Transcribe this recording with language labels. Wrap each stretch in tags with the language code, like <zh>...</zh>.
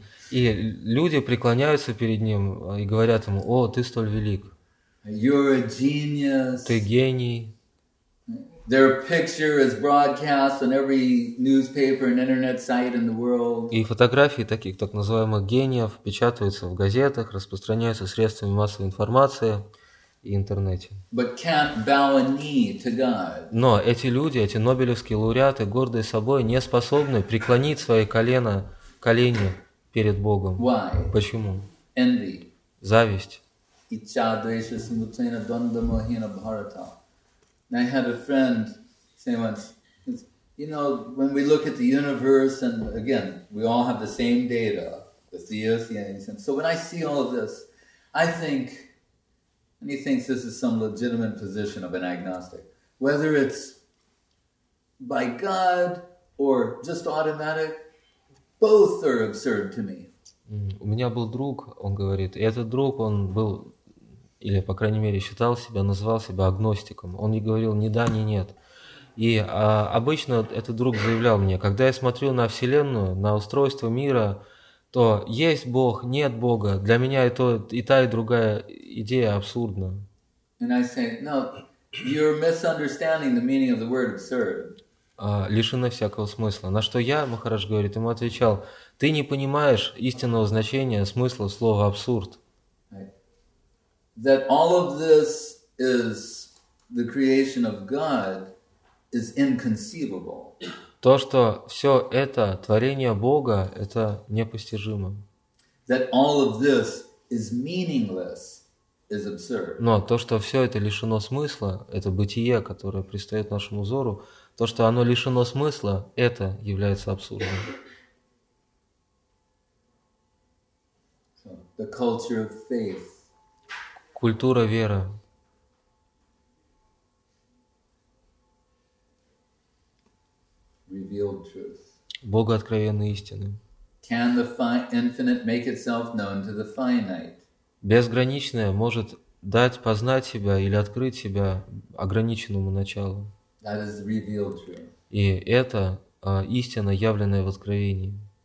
<ru>И люди преклоняются перед ним и говорят ему, "О, ты столь велик."</ru> <en>You're a genius.</en> <ru>Ты гений.</ru> <en>Their picture is broadcast on every newspaper and internet site in the world.</en> <ru>И фотографии таких так называемых гениев печатаются в газетах, распространяются средствами массовой информации и интернете.</ru> <en>But can't bow a knee to God.</en> <ru>Но эти люди, эти нобелевские лауреаты, гордые собой, не способны преклонить свои колени перед Богом.</ru> <en>Why?</en> <ru>Почему?</ru> <en>Envy.</en> <ru>Зависть.</ru> <sa>Icha Dvesha Simutena Dvanda Mohina Bharata.</sa> <en>And I had a friend say once, you know, when we look at the universe, and again, we all have the same data, the theos, the ancient. So when I see all of this, I think, and he thinks this is some legitimate position of an agnostic, whether it's by God or just automatic, both are absurd to me.</en> <ru>У меня был друг, он говорит, и этот друг, он был, или, по крайней мере, считал себя, называл себя агностиком. Он не говорил ни да, ни нет. И обычно этот друг заявлял мне, когда я смотрю на Вселенную, на устройство мира, то есть Бог, нет Бога. Для меня это и та, и другая идея абсурдна.</ru> <en>And I say, no, you're misunderstanding the meaning of the word absurd.</en> <ru>Лишены всякого смысла. На что я, Махарадж говорит, ему отвечал, ты не понимаешь истинного значения, смысла слова абсурд.</ru> <en>That all of this is the creation of God is inconceivable.</en> <ru>То, что все это творение Бога, это непостижимо.</ru> <en>That all of this is meaningless is absurd.</en> <ru>Но то, что все это лишено смысла, это бытие, которое предстает нашему взору, то, что оно лишено смысла, это является абсурдом.</ru> <en>The culture of faith.</en> <ru>Культура веры.</ru> <en>Revealed truth.</en> <ru>Богооткровенные истины.</ru> <en>Can the infinite make itself known to the finite?</en> <ru>Безграничное может дать познать себя или открыть себя ограниченному началу.</ru> <en>That is revealed truth.</en> <ru>И это истина, явленная в откровении.</ru>